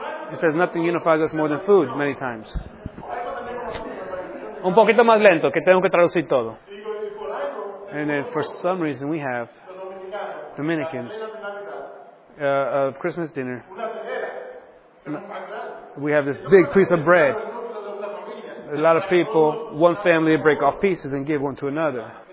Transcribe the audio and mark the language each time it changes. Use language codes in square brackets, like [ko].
[en] He says nothing unifies us more than food, many times. [es] Un poquito más lento, que tengo que traducir todo. [en] And then for some reason we have Dominicans of Christmas dinner. We have this big piece of bread. A lot of people, one family break off pieces and give one to another.